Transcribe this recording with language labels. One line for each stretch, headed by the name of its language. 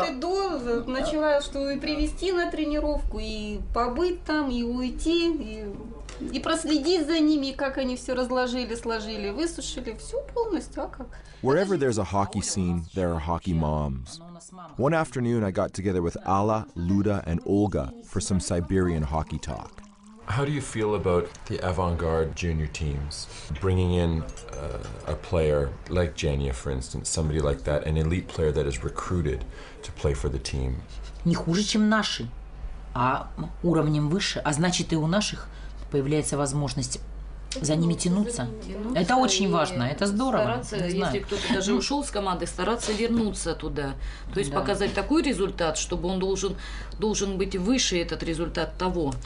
Russian: Вот и до, начиная, что и привезти на тренировку, и побыть там, и уйти, и проследить за ними, как они все разложили, сложили, высушили, все полностью, а как?
English: Wherever there's a hockey scene, there are hockey moms. One afternoon, I got together with Alla, Luda, and Olga for some Siberian hockey talk. How do you feel about the avant-garde junior teams bringing in a player like Genya, for instance, somebody like that, an elite player that is recruited to play for the team?
Russian: Не хуже, чем наши, а уровнем выше, а значит и у наших появляется возможность за ними тянуться. Это очень важно, это здорово. Если кто-то даже ушел с команды, стараться вернуться туда. То есть показать такой результат, чтобы он должен быть выше этот результат того.